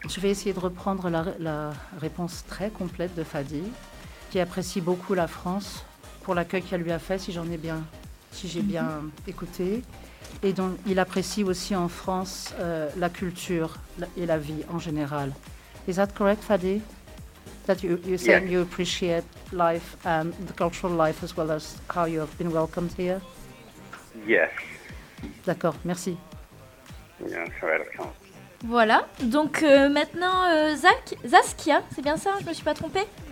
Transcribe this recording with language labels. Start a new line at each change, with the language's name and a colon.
French: Je vais essayer de reprendre la réponse très complète de Fadi, qui apprécie beaucoup la France pour l'accueil qu'elle lui a fait, si j'ai bien écouté. Et donc, il apprécie aussi en France la culture et la vie en général.
English: Is that correct, Fadi? That you're saying you appreciate life and the cultural life as well as how you have been welcomed here? Yes.
French: D'accord, merci.
English: You're welcome.
French: Voilà, donc maintenant Zaskia, c'est bien ça? Je me suis pas trompée?